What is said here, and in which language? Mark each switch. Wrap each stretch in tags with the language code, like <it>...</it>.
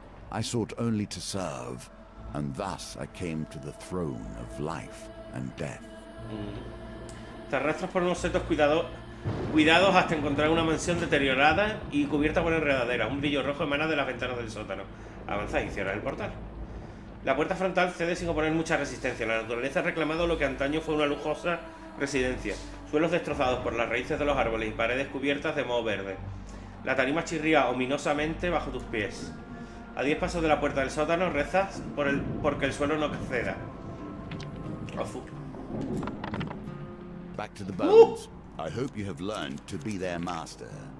<en>I sought only to serve, and thus I came to the throne of life and death.</en> <es>Te arrastras por unos setos cuidados hasta encontrar una mansión deteriorada y cubierta por enredaderas. Un brillo rojo emana de las ventanas del sótano. Avanzas y cierras el portal. La puerta frontal cede sin oponer mucha resistencia. La naturaleza ha reclamado lo que antaño fue una lujosa residencia. Suelos destrozados por las raíces de los árboles y paredes cubiertas de moho verde. La tarima chirría ominosamente bajo tus pies. A 10 pasos de la puerta del sótano rezas porque el suelo no ceda. Ofu.</es> <en>Back to the bones. I hope you have learned to be their master.</en>